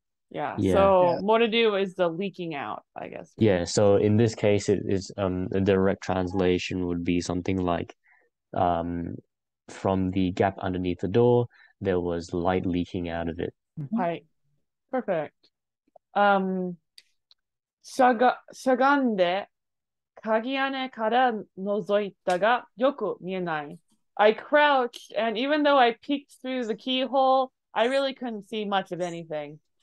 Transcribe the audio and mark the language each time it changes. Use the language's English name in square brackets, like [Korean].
[English] Yeah. So, moredu is the leaking out, I guess. Yeah, so in this case, it is a direct translation would be something like, from the gap underneath the door, there was light leaking out of it. Right. Perfect. [Japanese] しゃがんで、鍵穴から覗いたが、よく見えない。 [English] I crouched, and even though I peeked through the keyhole, I really couldn't see much of anything.